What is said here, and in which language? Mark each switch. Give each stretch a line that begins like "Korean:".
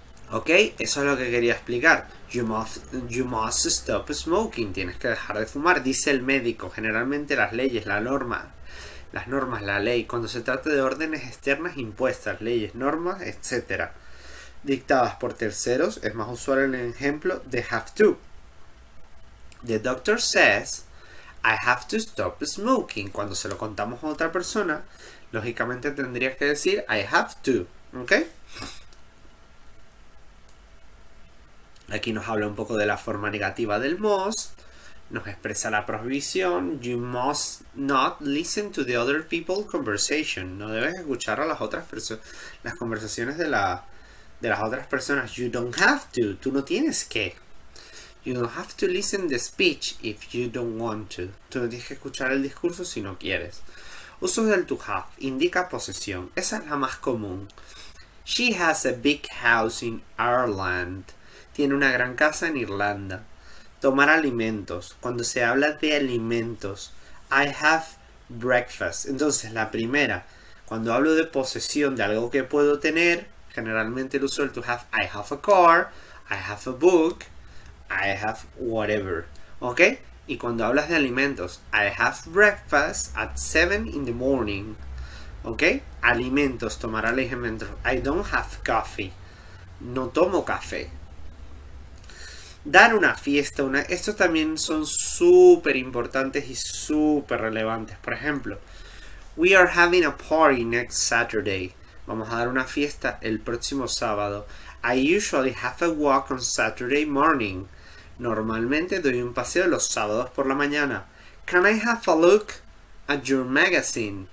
Spanish: ¿Ok? Eso es lo que quería explicar.
English: You must stop smoking.
Spanish: Tienes que dejar de fumar, dice el médico. Generalmente las leyes, la norma. Las normas, la ley. Cuando se trata de órdenes externas impuestas, leyes, normas, etc. dictadas por terceros, es más usual el ejemplo de have to.
English: The doctor says, I have to stop smoking.
Spanish: Cuando se lo contamos a otra persona, lógicamente tendrías que decir,
English: I have to.
Spanish: ¿Ok? Aquí nos habla un poco de la forma negativa del must. Nos expresa la prohibición.
English: You must not listen to the other people's conversation.
Spanish: No debes escuchar a las otras personas. Las conversaciones de las otras personas.
English: You don't have to.
Spanish: Tú no tienes que.
English: You don't have to listen to the speech if you don't want to.
Spanish: Tú no tienes que escuchar el discurso si no quieres. Usos del to have. Indica posesión. Esa es la más común.
English: She has a big house in Ireland.
Spanish: Tiene una gran casa en Irlanda. Tomar alimentos. Cuando se habla de alimentos,
English: I have breakfast.
Spanish: Entonces, la primera, cuando hablo de posesión de algo que puedo tener, generalmente el uso del to have,
English: I have a car, I have a book, I have whatever.
Spanish: ¿Ok? Y cuando hablas de alimentos,
English: I have breakfast at 7 in the morning.
Spanish: ¿Ok? Alimentos, tomar alimentos.
English: I don't have coffee.
Spanish: No tomo café. Dar una fiesta, estos también son súper importantes y súper relevantes. Por ejemplo,
English: we are having a party next Saturday.
Spanish: Vamos a dar una fiesta el próximo sábado.
English: I usually have a walk on Saturday morning.
Spanish: Normalmente doy un paseo los sábados por la mañana.
English: Can I have a look at your magazine?